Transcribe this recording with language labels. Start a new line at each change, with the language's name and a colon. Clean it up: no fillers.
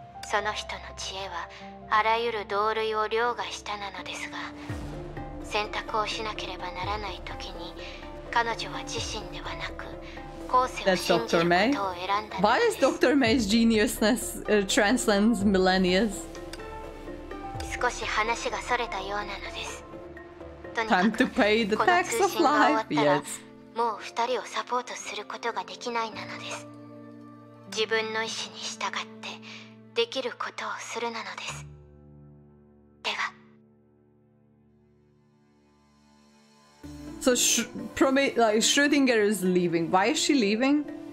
Japanese: その人の知恵はあらゆる同類を凌駕したなのですが、選択をしなければならない時に彼女は自身ではなく後世を信じることを選んだのです。
English: Why is Dr. May's geniusness transcends millennia?
Japanese: 少し話がそれたようなのです。とにかく
English: Time to pay the tax of life. Yes.
Japanese: もう二人をサポートすることができないなのです。自分の意思に従ってできることをするなのです。では
English: So Schrödinger is leaving. Why is she leaving?